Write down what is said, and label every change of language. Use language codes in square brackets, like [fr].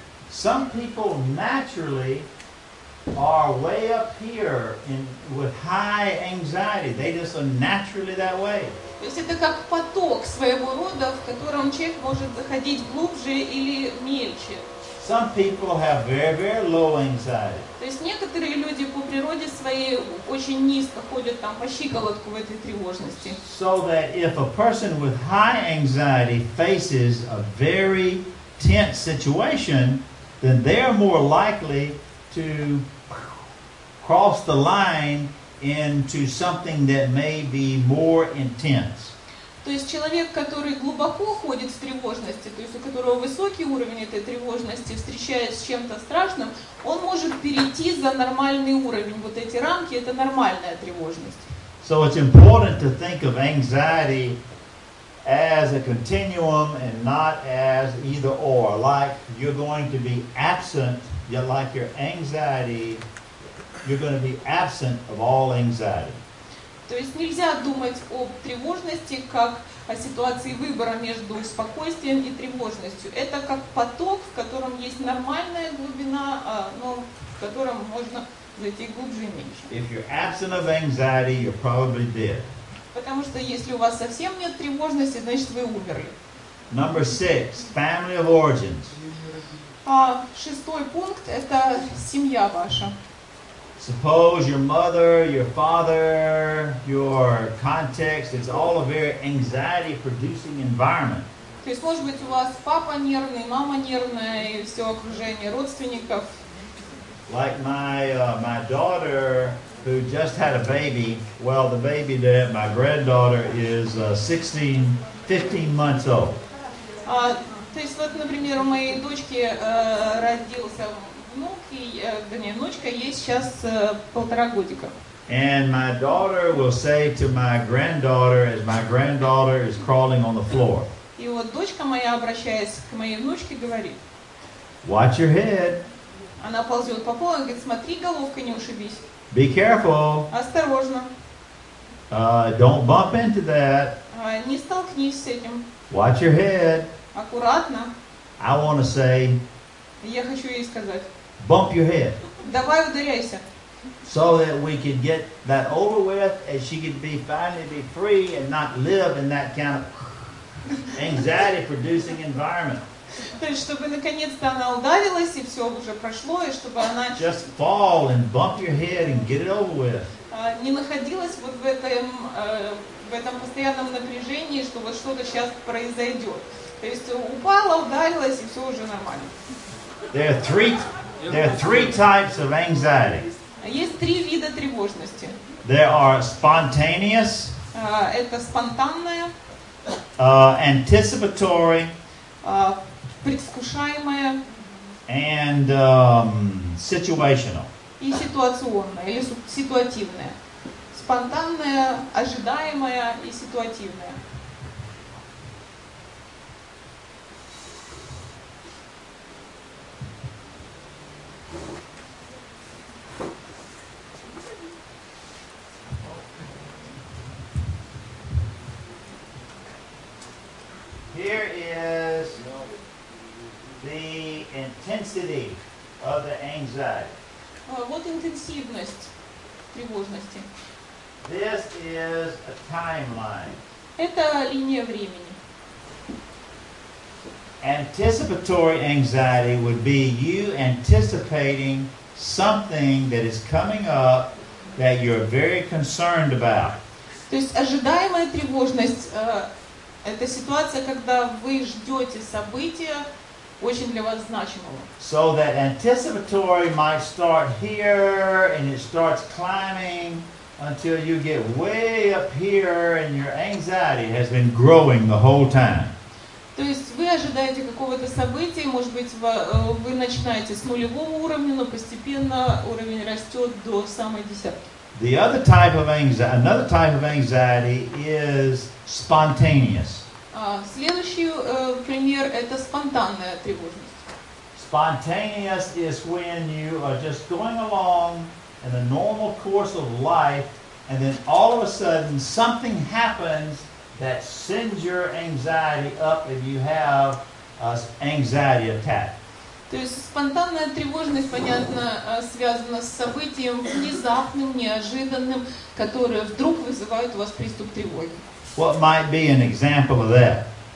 [en] Some people naturally are way up here in with high anxiety. They just are naturally that way. [ru] То есть это как поток своего рода, в котором человек может заходить глубже или мельче. [en] Some people have very, very low anxiety. [ru] То есть некоторые люди по природе своей очень низко ходят там по щиколотку в этой тревожности. [en] So that if a person with high anxiety faces a very tense situation, then they're more likely to cross the line into something that may be more intense. [ru] То есть человек, который глубоко ходит в тревожности, то есть у которого высокий уровень этой тревожности, встречаясь с чем-то страшным, он может перейти за нормальный уровень. Вот эти рамки – это нормальная тревожность. [en] So it's important to think of anxiety as a continuum and not as either or. Like you're going to be absent, you're like your anxiety, you're going to be absent of all anxiety. [ru] То есть нельзя думать об тревожности как о ситуации выбора между спокойствием и тревожностью. Это как поток, в котором есть нормальная глубина, но в котором можно зайти глубже и меньше. [en] If you're absent of anxiety, you're probably dead. [ru] Потому что если у вас совсем нет тревожности, значит вы умерли. [en] Number six, family of origins. [ru] А шестой пункт – это семья ваша. [en] Suppose your mother, your father, your context, it's all a very anxiety-producing environment. [ru] То есть, может быть, у вас папа нервный, мама нервная, и все окружение родственников. [en] Like my daughter, who just had a baby, well, the baby that my granddaughter is 15 months old. [ru] То есть, вот, например, у моей дочки родился внук, и, вернее, внучка, ей сейчас полтора годика. [en] And my daughter will say to my granddaughter, as my granddaughter is crawling on the floor. [ru] И вот дочка моя, обращаясь к моей внучке, говорит. [en] Watch your head. [ru] Она ползет по полу, говорит, смотри, головка, не ушибись. [en] Be careful. [ru] Осторожно. [en] Don't bump into that. [ru] Не столкнись с этим. [en] Watch your head. [ru] Аккуратно. [en] I want to say. [ru] Я хочу ей сказать. [en] Bump your head. [ru] Давай ударяйся. [en] So that we could get that over with, and she could be finally be free and not live in that kind of anxiety-producing environment. [ru] То есть, чтобы наконец-то она ударилась и все уже прошло, и чтобы она [en] just fall and bump your head and get it over with. [ru] Не находилась вот в этом постоянном напряжении, что вот что-то сейчас произойдет. То есть упала, ударилась и все уже нормально. [en] There are three types of anxiety. [ru] Есть три вида тревожности. [en] There are spontaneous. [ru] Это спонтанная. [en] Anticipatory. [ru] Предвкушаемая. [en] And situational. [ru] И ситуационная или ситуативная. Спонтанная, ожидаемая и ситуативная. [en] Here is the intensity of the anxiety. What [ru] интенсивность тревожности? [en] This is a timeline. [ru] Это линия времени. [en] Anticipatory anxiety would be you anticipating something that is coming up that you're very concerned about. [ru] То есть ожидаемая тревожность. Это ситуация, когда вы ждете события очень для вас значимого. [en] So that anticipatory might start here and it starts climbing until you get way up here and your anxiety has been growing the whole time. [ru] То есть вы ожидаете какого-то события, может быть, вы начинаете с нулевого уровня, но постепенно уровень растет до самой десятки. [en] The other type of anxiety, another type of anxiety is spontaneous. [ru] Следующий пример – это спонтанная тревожность. [en] Spontaneous is when you are just going along in the normal course of life, and then all of a sudden something happens that sends your anxiety up if you have an anxiety attack. [ru] То есть спонтанная тревожность, понятно, связана с событием внезапным, неожиданным, которое вдруг вызывает у вас приступ тревоги. [en] What might be an example of that?